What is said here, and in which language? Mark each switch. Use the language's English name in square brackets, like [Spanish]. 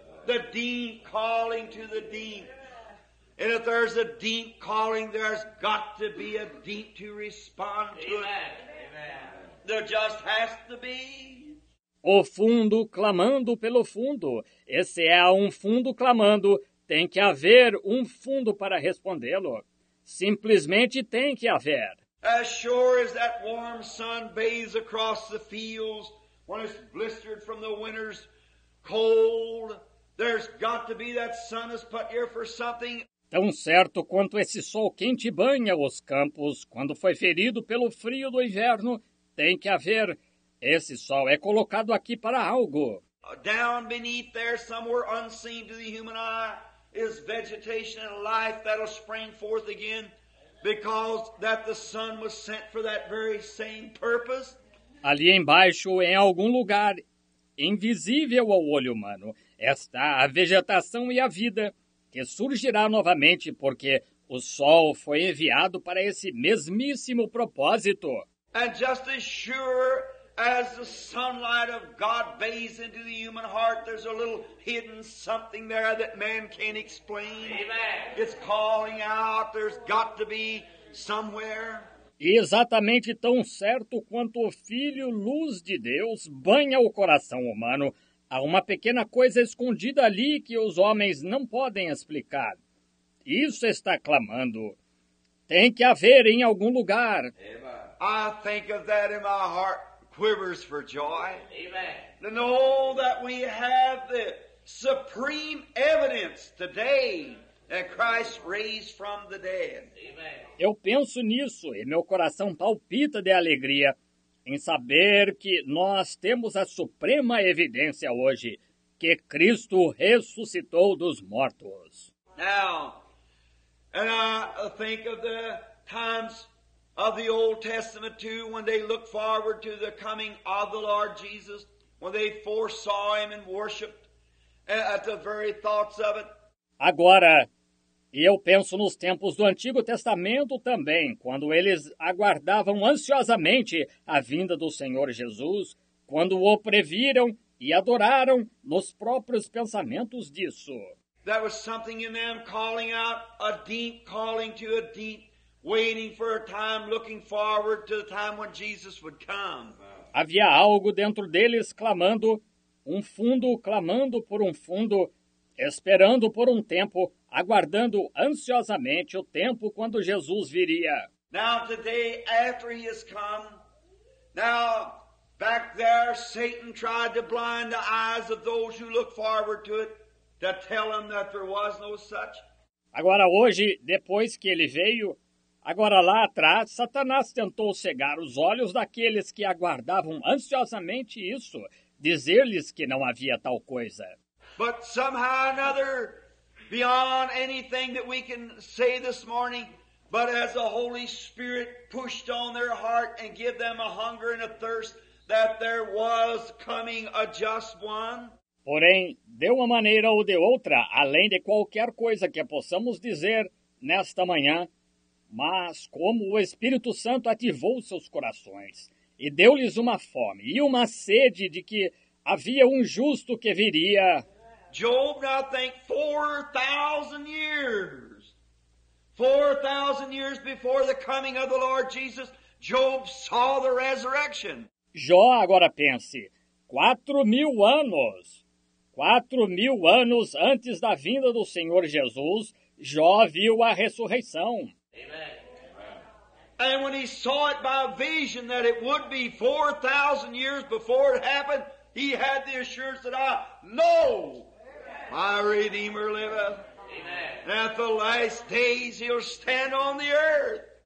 [English] The deep calling to the deep. And if there's a deep calling, there's got to be a deep to respond to it. Amen. There just has to be. [Portuguese] O fundo clamando pelo fundo. Esse é um fundo clamando. Tem que haver um fundo para respondê-lo. Simplesmente tem que haver. [English] As sure as that warm sun bathes across the fields when it's blistered from the winter's cold, there's got to be that sun has put here for something. [Portuguese] Tão certo quanto esse sol quente banha os campos quando foi ferido pelo frio do inverno, tem que haver. Esse sol é colocado aqui para algo. [English] Down beneath there, somewhere unseen to the human eye, is vegetation and life that'll spring forth again, because that the sun was sent for that very same purpose. [Portuguese] Ali embaixo, em algum lugar, invisível ao olho humano, está a vegetação e a vida, que surgirá novamente porque o sol foi enviado para esse mesmíssimo propósito. [English] And just as sure as the sunlight of God bathes into the human heart, there's a little hidden something there that man can't explain. Amen. It's calling out, there's got to be somewhere. [Portuguese] E exatamente tão certo quanto o Filho Luz de Deus banha o coração humano, há uma pequena coisa escondida ali que os homens não podem explicar. Isso está clamando. Tem que haver em algum lugar. [English] I think of that in my heart quivers for joy. Amen. To know that we have the supreme evidence today. And Christ raised from the dead. Amen. [Portuguese] Eu penso nisso e meu coração palpita de alegria em saber que nós temos a suprema evidência hoje que Cristo ressuscitou dos mortos. [English] Now, and I think of the times of the Old Testament too, when they looked forward to the coming of the Lord Jesus, when they foresaw him and worshiped at the very thoughts of it. [Portuguese] Agora, e eu penso nos tempos do Antigo Testamento também, quando eles aguardavam ansiosamente a vinda do Senhor Jesus, quando o previram e adoraram nos próprios pensamentos disso. [English] There was something in them calling out, a deep calling to a deep, waiting for a time, looking forward to the time when Jesus would come. [Portuguese] Havia algo dentro deles clamando, um fundo clamando por um fundo, esperando por um tempo, aguardando ansiosamente o tempo quando Jesus viria. [English] Now today, after he has come, now back there, Satan tried to blind the eyes of those who look forward to it, to tell them that there was no such. [Portuguese] Agora hoje, depois que ele veio, agora lá atrás, Satanás tentou cegar os olhos daqueles que aguardavam ansiosamente isso, dizer-lhes que não havia tal coisa. [English] But somehow another, beyond anything that we can say this morning, but as the Holy Spirit pushed on their heart and gave them a hunger and a thirst that there was coming a just one. [Portuguese] Porém, de uma maneira ou de outra, além de qualquer coisa que possamos dizer nesta manhã, mas como o Espírito Santo ativou seus corações e deu-lhes uma fome e uma sede de que havia um justo que viria. [English] Job, now think, 4,000 years. 4,000 years before the coming of the Lord Jesus, Job saw the resurrection. [Portuguese] Jó, agora pense, 4,000 anos. 4,000 anos antes da vinda do Senhor Jesus, Jó viu a ressurreição. [English] Amen. And when he saw it by vision that it would be 4,000 years before it happened, he had the assurance that I know. My Redeemer liveth, Amen. At the last days he'll stand on the earth.